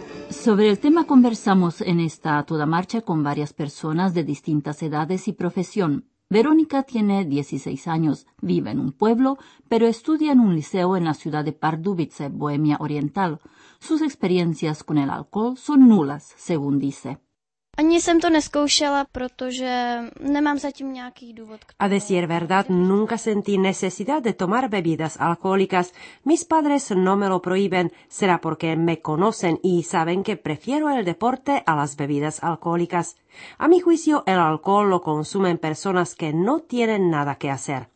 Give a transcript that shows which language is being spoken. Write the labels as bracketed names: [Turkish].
[Spanish] Sobre el tema conversamos en esta toda marcha con varias personas de distintas edades y profesión. Verónica tiene 16 años, vive en un pueblo, pero estudia en un liceo en la ciudad de Pardubice, Bohemia Oriental. Sus experiencias con el alcohol son nulas, según dice. [Czech] Ani jsem to neskoušela, protože nemám zatím nějaký důvod. [Spanish] A decir verdad, nunca sentí necesidad de tomar bebidas alcohólicas. Mis padres no me lo prohíben, será porque me conocen y saben que prefiero el deporte a las bebidas alcohólicas. A mi juicio, el alcohol lo consumen personas que no tienen nada que hacer.